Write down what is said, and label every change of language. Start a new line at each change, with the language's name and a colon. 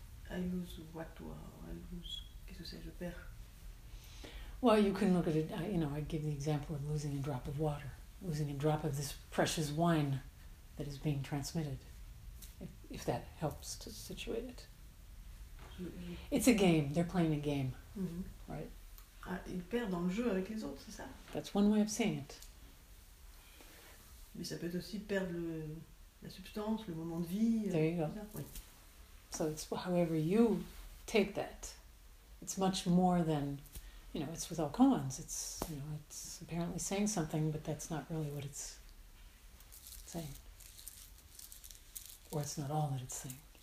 English: I lose what? I lose.
French: Qu'est-ce que c'est, je perds?
English: Well, you can look at it, you know, I give the example of losing a drop of water, losing a drop of this precious wine that is being transmitted, if that helps to situate it. It's a game. They're playing a game, mm-hmm. Right?
French: Ils perdent en jeu avec les autres, c'est ça?
English: That's one way of saying it.
French: Mais ça peut être aussi perdre la substance, le moment de vie.
English: There you go.
French: Ça, oui.
English: So it's however you take that. It's much more than, you know, it's with all koans. It's, you know, it's apparently saying something, but that's not really what it's saying. Or it's not all that it's saying.